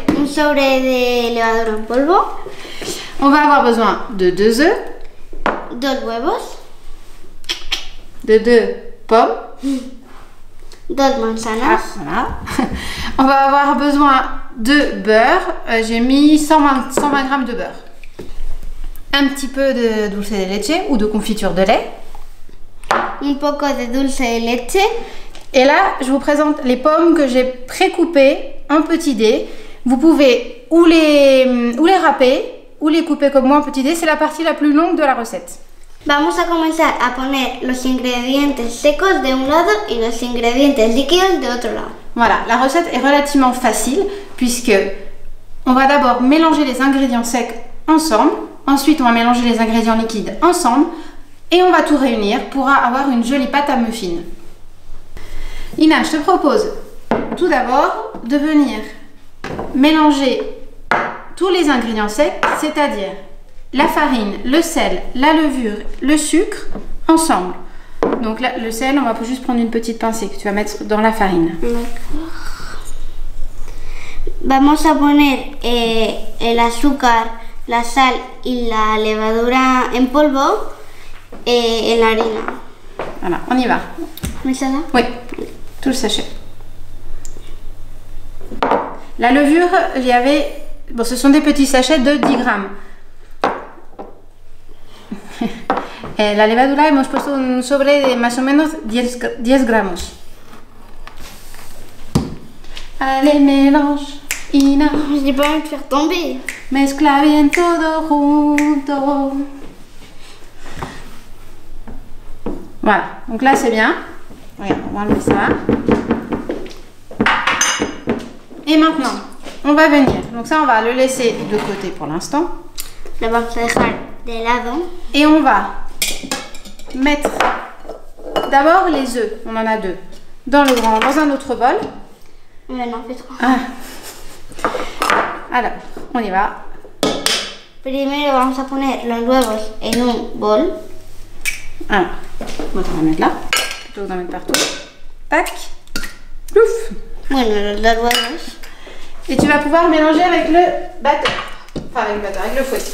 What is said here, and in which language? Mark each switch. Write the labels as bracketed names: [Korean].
[Spanish] Un sobre de levadura en polvo. [French] On va avoir besoin de 2 œufs. [Spanish] 2 huevos. [French] De 2 pommes. [Spanish] 2 manzanas. [French] Ah, voilà. On va avoir besoin de beurre. J'ai mis 120 g de beurre. Un petit peu de dulce de leche ou de confiture de lait. [Spanish] Un poco de dulce de leche. [French] Et là, je vous présente les pommes que j'ai pré-coupées en petits dés. Vous pouvez ou les râper ou les couper comme moi en petits dés. C'est la partie la plus longue de la recette. [Spanish] Vamos a comenzar a poner los ingredientes secos de un lado y los ingredientes líquidos de otro lado. [French] Voilà, la recette est relativement facile puisque on va d'abord mélanger les ingrédients secs ensemble, ensuite on va mélanger les ingrédients liquides ensemble et on va tout réunir pour avoir une jolie pâte à muffins. Ina, je te propose tout d'abord de venir mélanger tous les ingrédients secs, c'est-à-dire la farine, le sel, la levure, le sucre, ensemble. Donc là, le sel, on va juste prendre une petite pincée que tu vas mettre dans la farine. D'accord. [Spanish] Vamos a poner el azúcar, la sal y la levadura en polvo en la harina. [French] Voilà, on y va. Mais ça va? Oui, tout le sachet. La levure, il y avait... Bon, ce sont des petits sachets de 10 grammes. [Spanish] La levadura hemos puesto un sobre de más o menos 10 gramos. [French] Allez, mélange, Ina. J'ai pas envie de faire tomber. [Spanish] Mezcla bien todo junto. [French] Voilà, donc là c'est bien. Regarde, on va enlever ça. Et maintenant, on va venir. Donc ça, on va le laisser de côté pour l'instant. D'abord, ça sera de l'avant. Et on va mettre d'abord les œufs, on en a deux, dans un autre bol. Mais non, on fait trois. Ah. Alors, on y va. [Spanish] Primero vamos a poner los huevos en un bol. [French] Alors, on va en mettre là, plutôt que d'en mettre partout. Tac, plouf. [Spanish] Bueno, los huevos. [French] Et tu vas pouvoir mélanger avec le batteur, enfin avec le batteur, avec le fouet.